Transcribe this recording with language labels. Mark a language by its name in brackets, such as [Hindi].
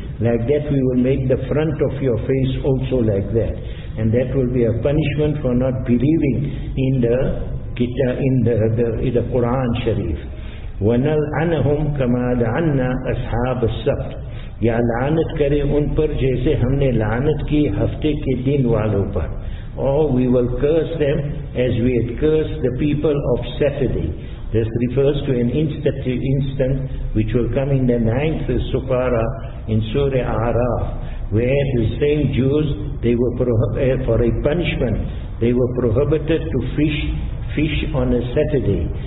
[English] Like that we will make the front of your face also like that. And that will be a punishment for not believing in the kitab, in the Quran Sharif. [Arabic] وَنَلْعَنَهُمْ كَمَا لَعَنَّا أَصْحَابَ السَّبْتِ. [Urdu] یا لعنت کرے ان پر جیسے ہم نے لعنت کی ہفتے کے دن والوں پر. [English] Or we will curse them as we had cursed the people of Saturday. This refers to an instant which will come in the 9th Sufara in Surah Araf, where the same Jews, they were for a punishment, they were prohibited to fish on a Saturday.